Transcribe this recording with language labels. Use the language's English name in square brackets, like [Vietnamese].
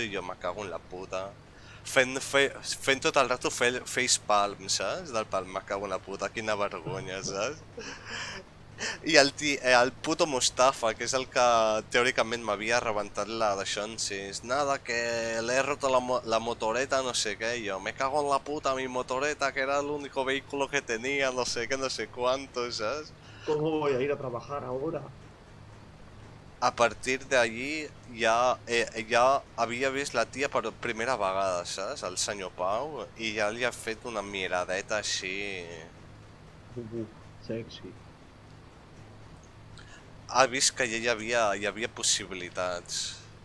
[Catalan] I jo me cago en la puta. Fent tot el rato facepalm, saps? Del pal, me cago en la puta, quina vergonya, saps? I el puto Mustafa, que és el que teòricament m'havia rebentat la d'aixonsis. [Spanish] Nada, que l'he roto la motoreta, [Catalan] no sé què. [Spanish] Jo, me cago en la puta, mi motoreta, [Catalan] que era l'únic [Spanish] vehículo [Catalan] que tenia, no sé què, [Spanish] no sé cuántos, ¿sabes? ¿Cómo voy a ir a trabajar ahora? [Catalan] A partir d'allí ja havia vist la tia per primera vegada, ¿sabes? El senyor Pau, i ja li ha fet una miradeta així... Sexy. Ha vist que ja hi havia possibilitats.